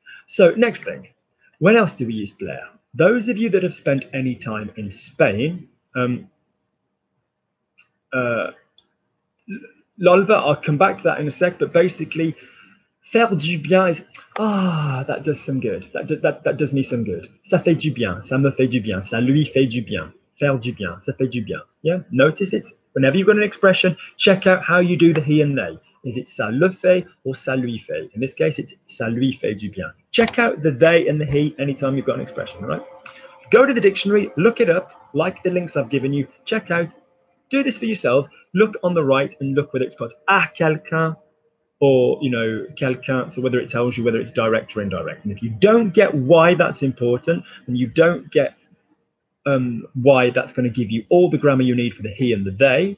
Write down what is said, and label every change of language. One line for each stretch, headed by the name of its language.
English: So next thing, when else do we use plaire? Those of you that have spent any time in Spain, Lolva, I'll come back to that in a sec, but basically,
French: faire du bien
English: is, that does some good. That does me some good.
French: Ça fait du bien, ça me fait du bien, ça lui fait du bien. Faire du bien, ça fait du bien.
English: Yeah, notice it. Whenever you've got an expression, check out how you do the he and they. Is it
French: ça le fait or ça lui fait?
English: In this case, it's
French: ça lui fait du bien.
English: Check out the they and the he anytime you've got an expression, all right? Go to the dictionary, look it up, like the links I've given you. Check out, do this for yourselves. Look on the right and look whether it's got
French: à quelqu'un
English: or, you know, quelqu'un. So whether it tells you whether it's direct or indirect. And if you don't get why that's important, then you don't get why that's going to give you all the grammar you need for the he and the they.